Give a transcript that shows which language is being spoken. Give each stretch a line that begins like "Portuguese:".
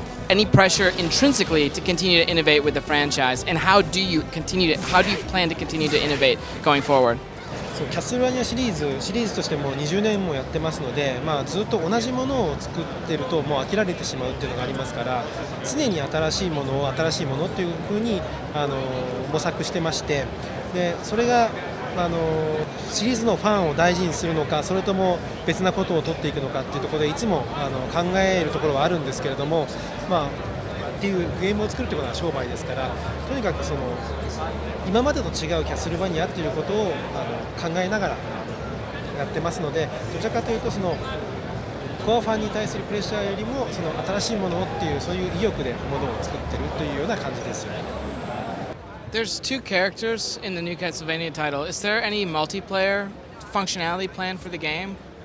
English: Any pressure intrinsically to continue to innovate with the franchise, and how do you plan to continue to innovate going forward?
Japanese: So, Castlevania シリーズとしても 20 年もやってますので、まあずっと同じものを作ってるともう飽きられてしまうっていうのがありますから、常に新しいものを新しいものっていうふうに模索してまして、でそれがシリーズのファンを大事にするのか、それとも別なことを取っていくのかっていうところで、いつも考えるところはあるんですけれども、まあっていうゲームを作るっていうことは商売ですから、とにかくその今までと違うキャスルバニアっていうことを考えながらやってますので、どちらかというとそのコアファンに対するプレッシャーよりも、その新しいものをっていうそういう意欲でものを作ってるというような感じです。
English: There's two characters in the new Castlevania title. Is there any multiplayer functionality plan for the game?